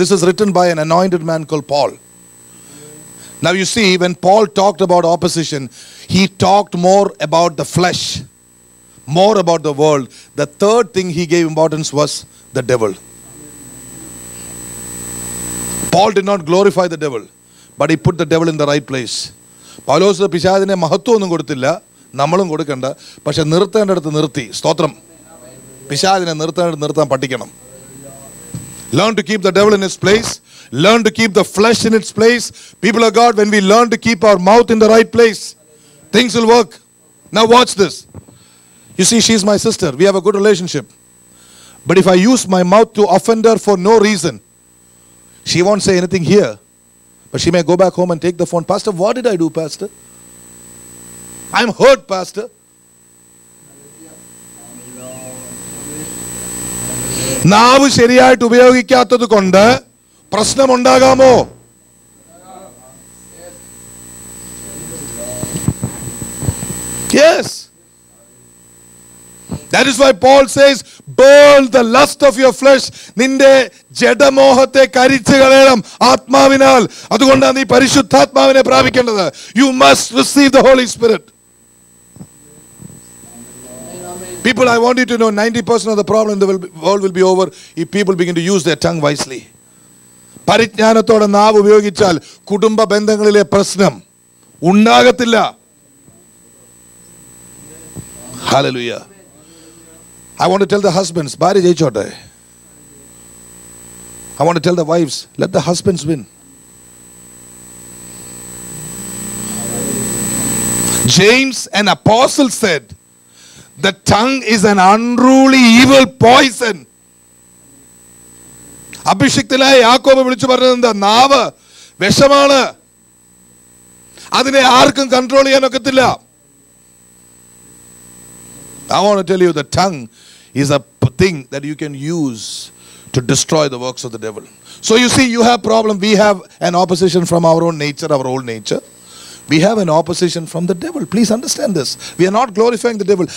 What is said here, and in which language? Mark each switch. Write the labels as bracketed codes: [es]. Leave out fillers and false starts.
[en] This is written by an anointed man called Paul. Now you see, when Paul talked about opposition, he talked more about the flesh, more about the world. The third thing he gave importance was the devil. Paul did not glorify the devil, but he put the devil in the right place. [ml] പൗലോസ് പിശാചിനെ മഹത്വം ഒന്നും കൊടുത്തില്ല, നമ്മളും കൊടുക്കണ്ട, പക്ഷെ നിർത്തേണ്ടടുത്ത് നിർത്തി. സ്തോത്രം. പിശാചിനെ നിർത്തേണ്ടത് നിർത്താൻ പഠിക്കണം. [en] Learn to keep the devil in his place. Learn to keep the flesh in its place. People of God, when we learn to keep our mouth in the right place, things will work. Now watch this. You see, she is my sister. We have a good relationship. But if I use my mouth to offend her for no reason, she won't say anything here. But she may go back home and take the phone. Pastor, what did I do, Pastor? I'm hurt, Pastor. [ml] നാവ് ശരിയായിട്ട് ഉപയോഗിക്കാത്തത് കൊണ്ട് പ്രശ്നമുണ്ടാകാമോ? [en] Yes. That is why Paul says, burn the lust of your flesh. [ml] നിന്റെ ജഡമോഹത്തെ കരിച്ചു കളയണം ആത്മാവിനാൽ. അതുകൊണ്ടാണ് നീ പരിശുദ്ധാത്മാവിനെ പ്രാപിക്കേണ്ടത്. [en] You must receive the Holy Spirit. People, I want you to know, 90% of the problem in the world will be over if people begin to use their tongue wisely. [ml] പരിജ്ഞാനത്തോടെ നാവ് ഉപയോഗിച്ചാൽ കുടുംബ ബന്ധങ്ങളിലെ പ്രശ്നം ഉണ്ടാകത്തില്ല. [en] Hallelujah. I want to tell the husbands, [ml] ഭാര്യ ജയിച്ചോട്ടെ. [en] I want to tell the wives, let the husbands win. James, an apostle, said, the tongue is an unruly evil poison. [ml] അഭിഷിക്തനായ യാക്കോബ് വിളിച്ചു പറഞ്ഞത് നാവ് വിഷമാണ്, അതിനെ ആർക്കും കൺട്രോൾ ചെയ്യാൻ ഒക്കത്തില്ല. [en] I want to tell you, the tongue is a thing that you can use to destroy the works of the devil. So you see, you have problem. We have an opposition from our own nature, our old nature. We have an opposition from the devil. Please understand this. We are not glorifying the devil.